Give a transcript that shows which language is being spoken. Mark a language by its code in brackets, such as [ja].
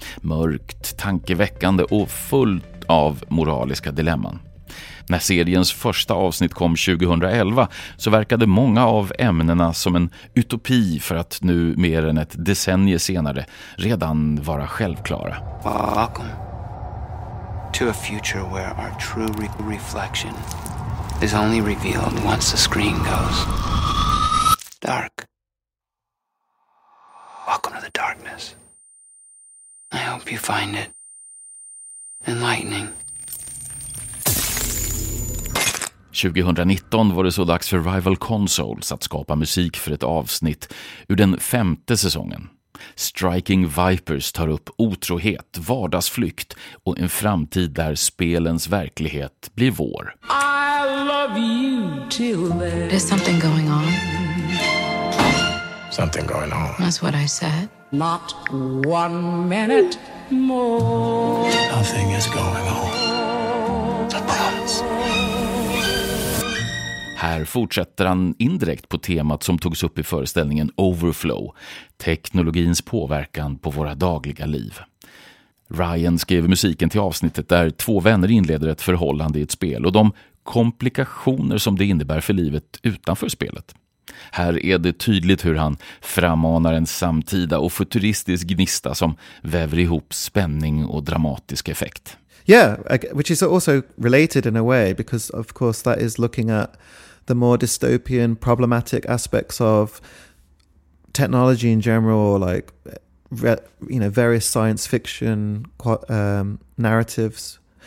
[sv] Mörkt, tankeväckande och fullt av moraliska dilemman. När seriens första avsnitt kom 2011 så verkade många av ämnena som en utopi för att nu mer än ett decennium senare redan vara självklara. [en] Welcome to a future where our true reflection is only revealed once the screen goes dark. Welcome to the darkness. I hope you find it enlightening. [sv] 2019 var det så dags för Rival Consoles att skapa musik för ett avsnitt ur den femte säsongen. Striking Vipers tar upp otrohet, vardagsflykt och en framtid där spelens verklighet blir vår. [en] I love you too. There's something going on. Something going on. That's what I said. Not one minute more. Nothing is going on. I promise. [sv] Här fortsätter han indirekt på temat som togs upp i föreställningen Overflow, teknologins påverkan på våra dagliga liv. Ryan skrev musiken till avsnittet där två vänner inleder ett förhållande i ett spel och de komplikationer som det innebär för livet utanför spelet. Här är det tydligt hur han frammanar en samtida och futuristisk gnista som väver ihop spänning och dramatisk effekt. [en] Yeah, which is also related in a way, because of course that is looking at the more dystopian, problematic aspects of technology in general, or like, you know, various science fiction narratives.